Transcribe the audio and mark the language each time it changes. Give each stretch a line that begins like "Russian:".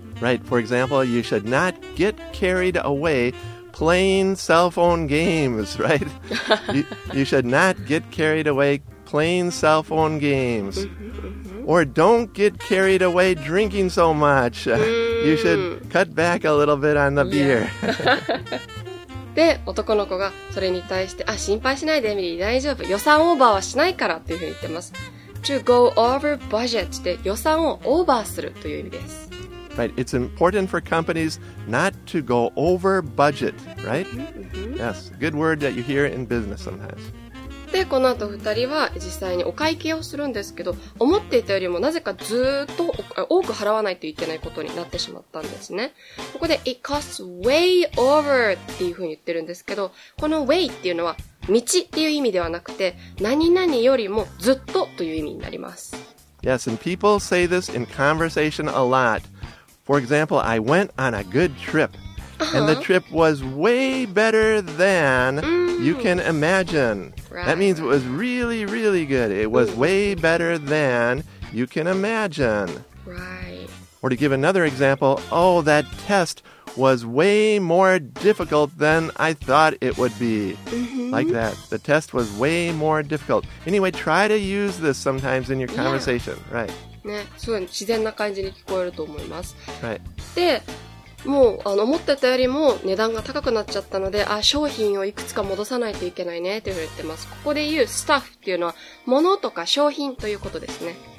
English: Right, for example, you should not get carried away playing cell phone games, right? you should not get carried away playing cell phone games. Or don't get carried away drinking so much. You should cut back a little bit on the beer.
Japanese: で、男の子がそれに対して、あ、心配しないで、エミリー、大丈夫。予算オーバーはしないからっていうふうに言ってます。
English: To go over budget
Japanese: で予算をオーバーするという意味です。
English: Right. It's important for companies not to go over budget, right? Mm-hmm. Yes. Good word that you hear in business sometimes.
Japanese: で、この後二人は実際にお会計をするんですけど、思っていたよりもなぜかずーっと多く払わないといけないことになってしまったんですね。ここで
English: It costs way over
Japanese: っていう風に言ってるんですけど、この way っていうのは道っていう意味ではなくて、何々よりもずっとという意味になります。
English: Yes, and people say this in conversation a lot. For example, I went on a good trip. And the trip was way better than you can imagine. Right. That means it was really, really good. It was way better than you can imagine. Right. Or to give another example, oh, that test was way more difficult than I thought it would be. Mm-hmm. Like that. The test was way more difficult. Anyway, try to use this sometimes in your conversation. Yeah. Right.
Japanese: ね、そう、自然な感じに聞こえると思います。
English: Right.
Japanese: で、もう思ってたよりも値段が高くなっちゃったので、あ、商品をいくつか戻さないといけないねというふうに言ってます。ここで言う stuff っていうのは物とか商品ということですね。